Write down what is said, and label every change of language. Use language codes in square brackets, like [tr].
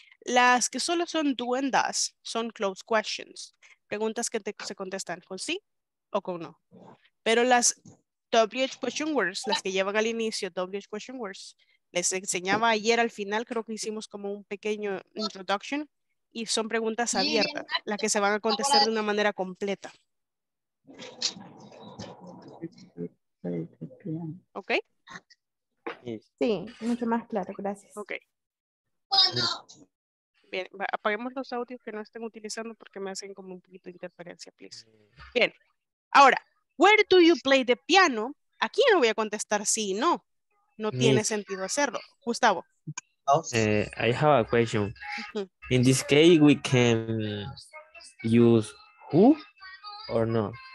[es] Las que solo son [en] do and does [es] son [en] closed questions. [es] Preguntas que se contestan con sí o con no. Pero las [en] WH question words, [es] las que llevan al inicio WH question words, les enseñaba ayer al final, creo que hicimos como un pequeño introduction, y son preguntas abiertas, las que se van a contestar de una manera completa. ¿Ok? Sí, mucho más claro, gracias. Ok. Bien, apaguemos los audios que no estén utilizando porque me hacen como un poquito de interferencia, please. Bien, ahora, [en] where do you play the piano? [es] Aquí no voy a contestar sí y no. No tiene sentido hacerlo. Gustavo. [en] I have a question. In this case, we can use who or no?